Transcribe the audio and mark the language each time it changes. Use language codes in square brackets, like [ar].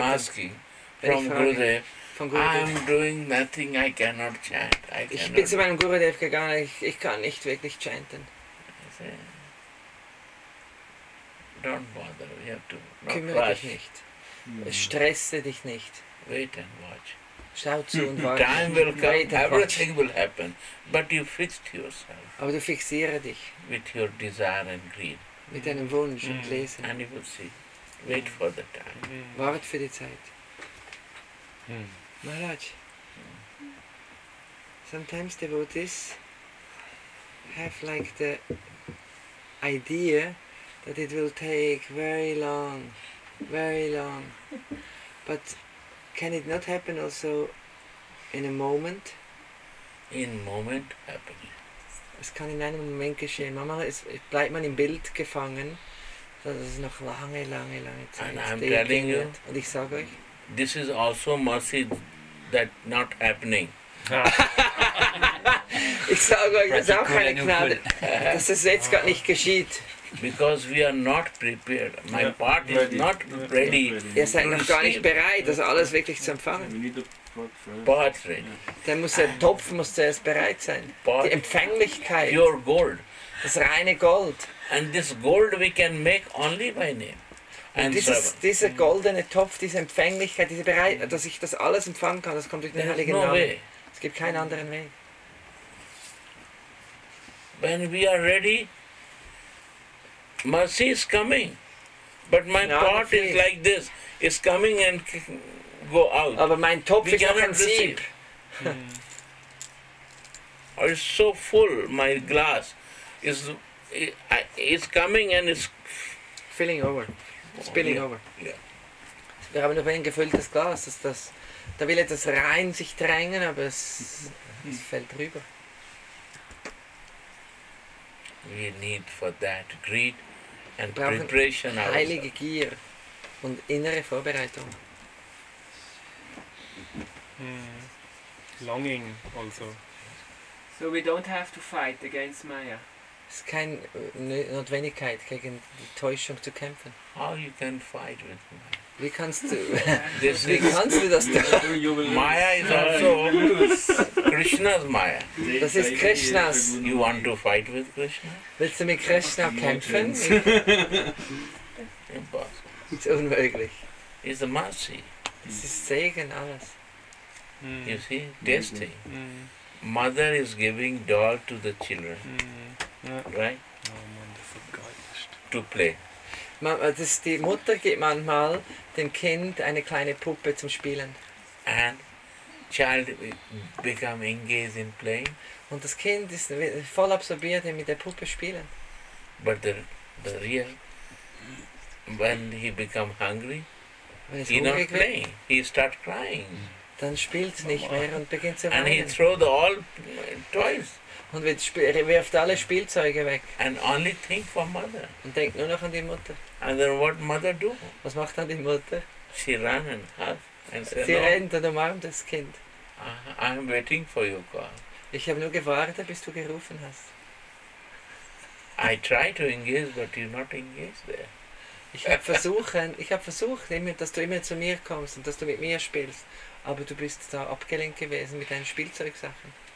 [en] I'm asking from Gurudev, I'm doing nothing, I cannot chant. [de] Ich bin zu meinem Gurudev gegangen, ich kann nicht wirklich chanten. [en] Don't bother, we have to not [de] kümmere [en] rush. [de] Dich nicht. Stresse dich nicht. [en] Wait and watch. [de] Schau zu und warte. [en] Time will come, everything will happen. But you fixed yourself. [de] Aber du fixiere dich. [en] With your desire and greed. [de] Mit deinem Wunsch und Lesen. [en] And you will see. Wait for the time. [de] Wart für die Zeit. [en] Maharaj, sometimes devotees have like the idea that it will take very long, very long. But can it not happen also in a moment? In moment happening. [de] Es kann in einem Moment geschehen. Manchmal bleibt man im Bild gefangen, dass es noch lange, lange, lange Zeit geht. [en] And I'm telling you, [de] und ich sage euch, [en] this is also mercy that not happening. [de] Ich sage euch, das ist auch keine Gnade, dass es jetzt gar nicht geschieht. [en] Because we are not prepared. My part is not ready. [de] Ihr seid noch gar nicht bereit, das alles wirklich zu empfangen. [en] Part ready. [de] Dann muss der Topf muss zuerst bereit sein. Die Empfänglichkeit. [en] Pure gold. [de] Das reine Gold. [en] And this gold we can make only by name. [de] Und dieser goldene Topf, diese Empfänglichkeit, diese Bereitschaft, dass ich das alles empfangen kann, das kommt durch den [en] There [de] heiligen [en] no [de] Namen. [en] Way. [de] Es gibt keinen anderen Weg. [en] When we are ready, mercy is coming. But my [de] Gnade [en] pot [de] fehlt. [en] Is like this. It's coming and go out. [de] Aber mein Topf [en] we [de] ist noch ein Sieb. [en] It's so full, my glass. It's coming and it's filling over. Spilling over. Yeah. [de] Wir haben nur ein gefülltes Glas. Da will etwas rein sich drängen, aber es fällt rüber. [en] We need for that greed and preparation. [de] Heilige Gier und innere Vorbereitung. [en] Longing also. So we don't have to fight against Maya. [de] Es ist keine Notwendigkeit, gegen die Täuschung zu kämpfen. [en] How you can fight with Maya? [de] Wie kannst du, wie kannst du das tun? [en] Maya is also Krishna's Maya. [de] Das ist Krishna's. [en] You want to fight with Krishna? [de] Willst du mit Krishna kämpfen? [en] Impossible. [de] Es ist unmöglich. [en] It's a mercy. [de] Es ist Segen, alles. [en] You see, destiny. Mother is giving doll to the children. Right? Oh man, to play. [de] Die Mutter gibt manchmal dem Kind eine kleine Puppe zum Spielen. [en] And child become engaged in playing. [de] Und das Kind ist voll absorbiert mit der Puppe spielen. [en] But the real, when he become hungry, he not playing. He start crying. [de] dann spielt nicht mehr und beginnt zu weinen. [en] And he threw the all toys. [de] Und wirft alle Spielzeuge weg. [en] And only think for mother. [de] Und denkt nur noch an die Mutter. [en] And then what mother do? [de] Was macht dann die Mutter? [en] She ran and hugged. [de] Sie rennt und umarmt das Kind. [en] I'm waiting for you, God. [de] Ich habe nur gewartet, bis du gerufen hast. [en] I try to engage, but you're not engaged there. [de] Ich habe versucht, dass du immer zu mir kommst und dass du mit mir spielst, aber du bist da abgelenkt gewesen mit deinen Spielzeugsachen.